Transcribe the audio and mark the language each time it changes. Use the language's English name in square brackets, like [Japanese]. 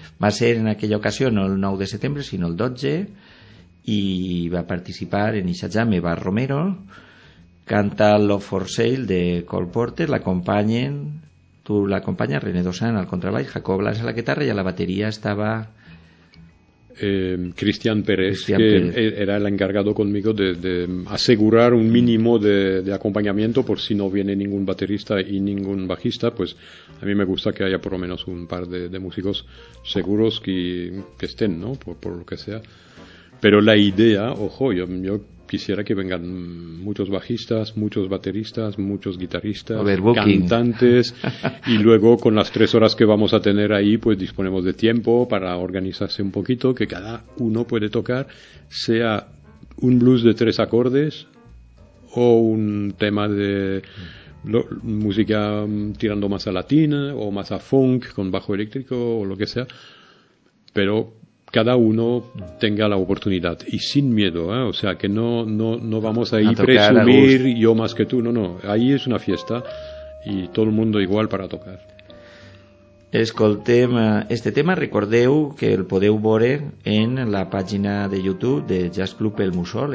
[Catalan] Va ser en aquella ocasió no el 9 de setembre, sinó el 12, i va participar en Isha Jam Eva Romero, canta Love for Sale de Cole Porter, l'acompanyen, tu l'acompanyes, René Dossan al contrabaix, Jacob Blas a la guitarra, i a la bateria estava [Spanish] Cristian Pérez, que era el encargado conmigo de asegurar un mínimo de acompañamiento, por si no viene ningún baterista y ningún bajista, pues a mí me gusta que haya por lo menos un par de músicos seguros que estén, ¿no? Por lo que sea. Pero la idea, ojo, yo quisiera que vengan muchos bajistas, muchos bateristas, muchos guitarristas, cantantes, y luego con las tres horas que vamos a tener ahí, pues disponemos de tiempo para organizarse un poquito, que cada uno puede tocar, sea un blues de tres acordes o un tema de música tirando más a latín o más a funk con bajo eléctrico o lo que sea, pero cada uno tenga la oportunidad y sin miedo, ¿eh? O sea, que no vamos ahí a presumir yo más que tú, no, ahí es una fiesta y todo el mundo igual para tocar. [Catalan] Escoltem este tema, recordeu que el podeu veure en la pàgina de YouTube de Jazz Club El Mussol.